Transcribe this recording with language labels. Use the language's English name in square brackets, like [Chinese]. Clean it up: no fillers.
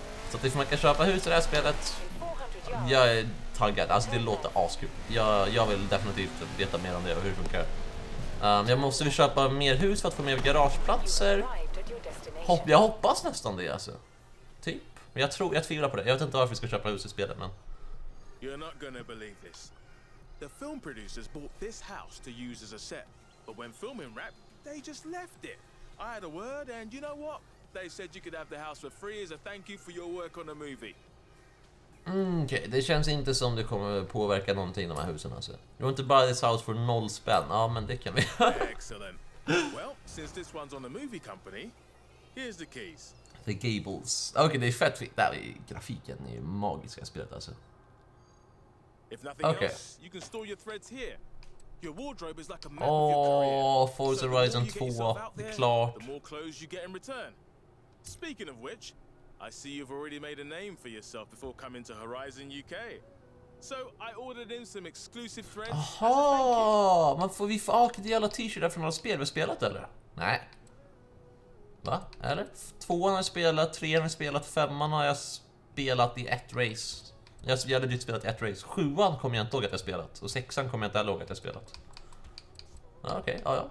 [Swedish] Så att man kan köpa hus i det här spelet, jag är taggad. Alltså det låter askul. Jag vill definitivt veta mer om det och hur det funkar. Jag måste väl köpa mer hus för att få mer garageplatser. Jag hoppas nästan det, alltså. Typ. Men jag tvivlar på det. Jag vet inte varför vi ska köpa hus i spelet, men... [English] You're not gonna believe this. The film producers bought this house to use as a set, but when filming wrapped, they just left it. I had a word, and you know what? They said you could have the house for free as a thank you for your work on the movie. [Swedish] Okej, det känns inte som det kommer påverka någonting de här husen, alltså. [English] You want to buy this house for 0 spänn? [Swedish] Ja, men det kan vi. [English] Excellent. Well, since this one's on the movie company, here's the keys. [Swedish] The Gables. Okej, det är fett. Där är grafiken, det är ju magiska spelet, alltså. [English] If nothing okay. else, you can store your threads here. Your wardrobe is like a map of your career. [Swedish] Forza Horizon 2, det är klart. [English] The more clothes you get in return. Speaking of which, I see you've already made a name for yourself before coming to Horizon UK. So, I ordered in some exclusive threads. Aha! [Swedish] Man får vi få ett jävla t-shirt från några spel vi spelat, eller? Nej. Va? Eller? Tvåan har jag spelat, trean har jag spelat, femman har jag spelat i ett race. Jag hade ju spelat ett race. Sjuan kommer jag inte ihåg att jag spelat. Och sexan kommer jag inte ihåg att jag spelat. Okej, okay, ja.